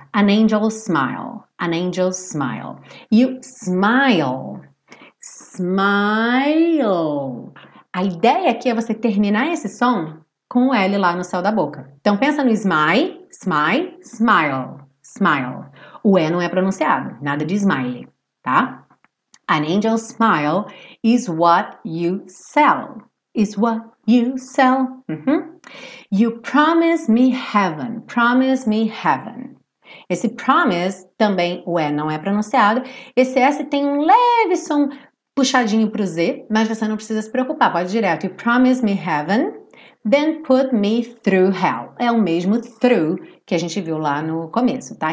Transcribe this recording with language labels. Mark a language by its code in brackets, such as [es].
[en] An angel's smile. An angel's smile. E o smile. Smile. [pt] A ideia aqui é você terminar esse som com o L lá no céu da boca. Então, pensa no smile, smile, smile, smile. O E não é pronunciado, nada de smile, tá? [en] An angel's smile is what you sell. Is what you sell. Uhum. You promise me heaven, promise me heaven. [pt] Esse promise, também o E não é pronunciado. Esse S tem um leve som puxadinho pro Z, mas você não precisa se preocupar, pode ir direto. [en] You promise me heaven. Then put me through hell. [pt] É o mesmo through que a gente viu lá no começo, tá?